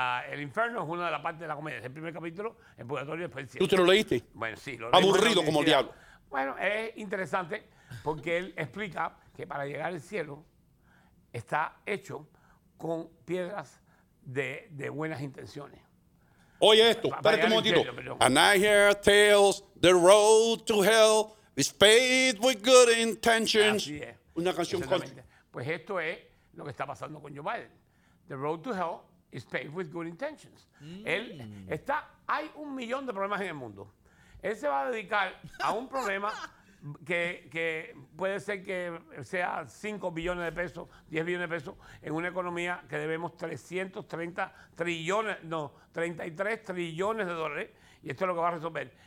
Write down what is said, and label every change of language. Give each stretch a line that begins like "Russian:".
Spanish: El infierno es una de las partes de la comedia. Es el primer capítulo, el purgatorio y después el cielo. ¿Tú te lo leíste? Bueno, sí. Aburrido como el diablo. Bueno, es interesante porque él explica que para llegar al cielo está hecho con piedras de buenas intenciones. Oye esto, espérate un momentito.
English: And I hear tales, the road to hell is paved with good intentions.
Spanish: Así es. Una canción country. Pues esto es lo que está pasando con Joe Biden.
English: The road to hell is paved with good intentions.
Spanish: Él está, hay un millón de problemas en el mundo. Él se va a dedicar a un problema que puede ser que sea 5 billones de pesos, 10 billones de pesos, en una economía que debemos 33 trillones de dólares, y esto es lo que va a resolver.